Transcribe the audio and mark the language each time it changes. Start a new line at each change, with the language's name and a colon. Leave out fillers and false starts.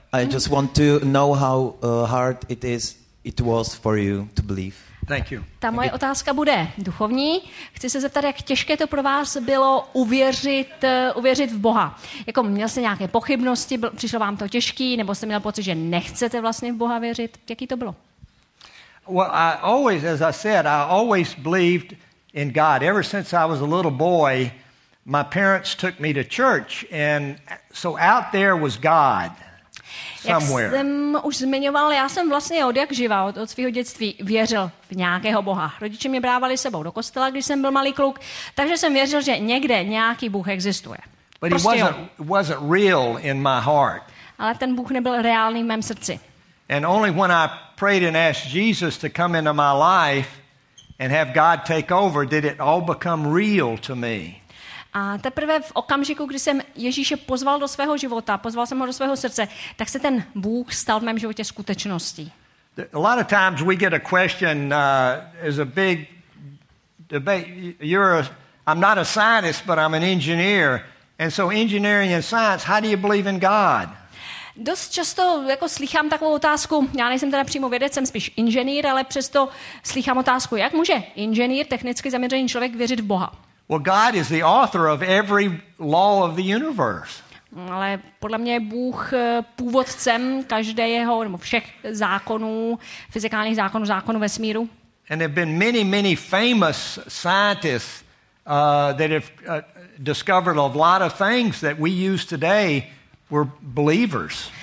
English: I just want to know how hard it was for you to believe. Thank you.
Czech: Ta moje otázka bude duchovní. Chci se zeptat, jak těžké to pro vás bylo uvěřit v Boha. Jako měl jste nějaké pochybnosti, přišlo vám to těžký, nebo jste měl pocit, že nechcete vlastně v Boha věřit? Jaký to bylo?
English: Well, I always, as I said, I always believed in God. Ever since I was a little boy, my parents took me to church, and so out there was God. Somewhere.
Czech: Jak jsem už zmiňoval, já jsem vlastně odjakživa, od svého dětství věřil v nějakého Boha. Rodiče mě brávali sebou do kostela, když jsem byl malý kluk, takže jsem věřil, že někde nějaký Bůh existuje.
English: But it wasn't real in my heart.
Czech: Ale ten Bůh nebyl reálný v mém srdci.
English: And only when I prayed and asked Jesus to come into my life and have God take over, did it all become real to me.
Czech: A teprve v okamžiku, kdy jsem Ježíše pozval do svého života, pozval jsem ho do svého srdce, tak se ten Bůh stal v mém životě skutečností.
English: A lot of times we get a question, is a big debate. I'm not a scientist, but I'm an engineer. And so engineering and science, how do you believe in God?
Czech: Dost často jako slýchám takovou otázku, já nejsem teda přímo vědec, jsem spíš inženýr, ale přesto slýchám otázku, jak může inženýr, technicky zaměřený člověk, věřit v Boha?
English: Well, God is the author of every law of the universe.
Czech: Ale podle mě je Bůh původcem každého nebo všech zákonů, fyzikálních zákonů, zákonů vesmíru.
English: And there have been many, many famous scientists that have discovered a lot of things that we use today were believers.